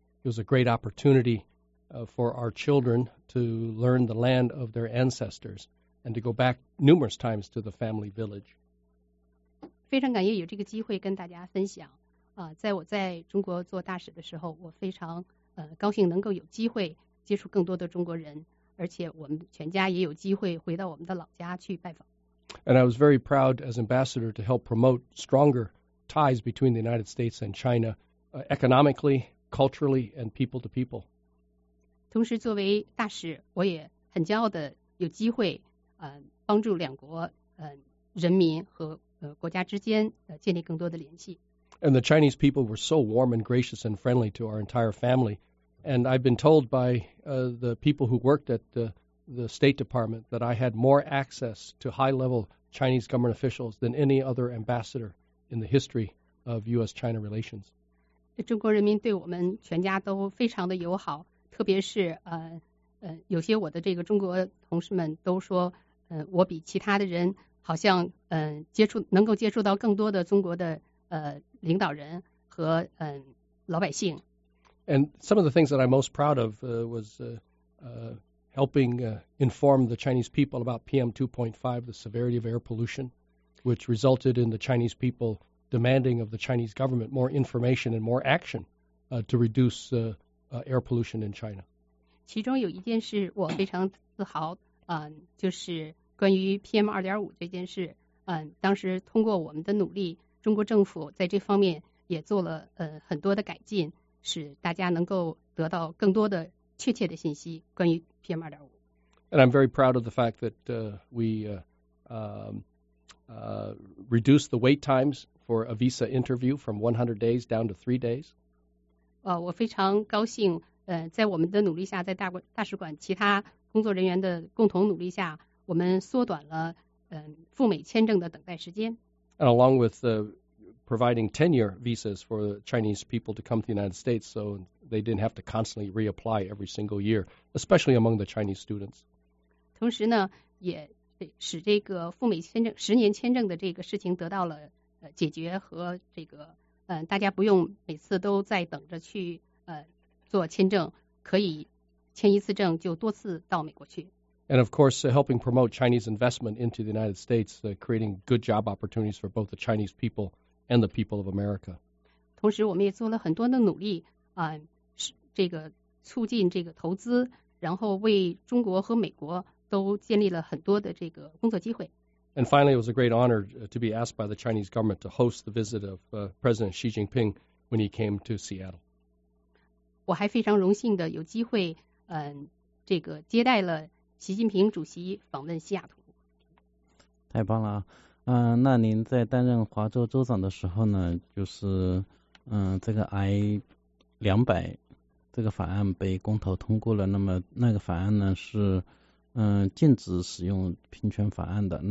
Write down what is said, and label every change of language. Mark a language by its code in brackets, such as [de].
[en] It was a great opportunity for our children to learn the land of their ancestors and to go back numerous times to the family village. [zh] 非常感谢有这个机会跟大家分享。在我在中国做大使的时候，我非常高兴能够有机会接触更多的中国人，而且我们全家也有机会回到我们的老家去拜访。 [en] And I was very proud as ambassador to help promote stronger ties between the United States and China, economically, culturally, and people to people. [zh] 同时作为大使，我也很骄傲的有机会帮助两国人民和国家之间建立更多的联系。 [en] And the Chinese people were so warm and gracious and friendly to our entire family. And I've been told by the people who worked at the State Department that I had more access to high-level Chinese government officials than any other ambassador in the history of U.S.-China relations. [zh] 中国人民对我们全家都非常的友好，特别是有些我的这个中国同事们都说，我比其他的人好像能够接触到更多的中国的领导人和老百姓。 [en] And some of the things that I'm most proud of was helping inform the Chinese people about PM2.5, the severity of air pollution, which resulted in the Chinese people demanding of the Chinese government more information and more action to reduce air pollution in China. [zh] 其中有一件事我非常自豪，就是关于 PM2.5 这件事，当时通过我们的努力，中国政府在这方面也做了很多的改进，使大家能够得到更多的确切的信息关于 PM2.5。 [en] And I'm very proud of the fact that reduced the wait times for a visa interview from 100 days down to 3 days. [zh] 我非常高兴，在我们的努力下，在大使馆其他工作人员的共同努力下，我们缩短了赴美签证的等待时间。 [en] And along with providing 10-year visas for the Chinese people to come to the United States, so they didn't have to constantly reapply every single year, especially among the Chinese students. [zh] 同时呢，也使这个赴美签证十年签证的这个事情得到了解决和这个大家不用每次都在等着去做签证，可以签一次证就多次到美国去。 [en] And of course, helping promote Chinese investment into the United States, creating good job opportunities for both the Chinese people and the people of America. [zh] 同时我们也做了很多的努力，这个促进这个投资，然后为中国和美国都建立了很多的这个工作机会。 [en] And finally, it was a great honor to be asked by the Chinese government to host the visit of President Xi Jinping when he came to Seattle. [zh] 我还非常荣幸的有机会，这个接待了习近平主席访问西雅图。太棒了，那您在担任华州州长的时候呢，就是，这个 I-200 这个法案被公投通过了，那么那个法案呢是，禁止使用平权法案的。